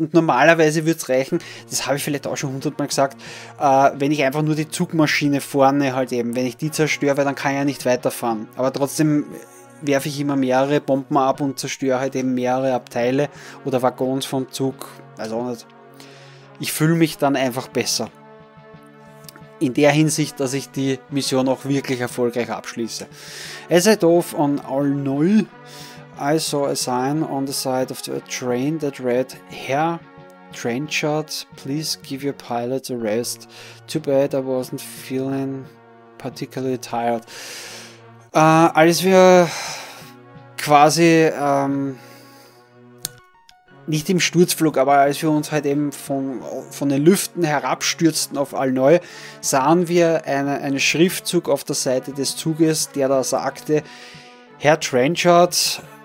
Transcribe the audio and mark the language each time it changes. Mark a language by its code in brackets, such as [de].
[de] Und normalerweise würde es reichen, das habe ich vielleicht auch schon 100 Mal gesagt, wenn ich einfach nur die Zugmaschine vorne halt eben, wenn ich die zerstöre, weil dann kann ich ja nicht weiterfahren. Aber trotzdem werfe ich immer mehrere Bomben ab und zerstöre halt eben mehrere Abteile oder Waggons vom Zug. Weiß auch nicht. Ich fühle mich dann einfach besser. In der Hinsicht, dass ich die Mission auch wirklich erfolgreich abschließe. [en] As I dove on Aulneuil, I saw a sign on the side of the train that read, Herr Trenchard, please give your pilot a rest. Too bad I wasn't feeling particularly tired. [de] Als wir quasi nicht im Sturzflug, aber als wir uns halt eben von den Lüften herabstürzten auf Aulneuil, sahen wir einen Schriftzug auf der Seite des Zuges, der da sagte, Herr Trenchard,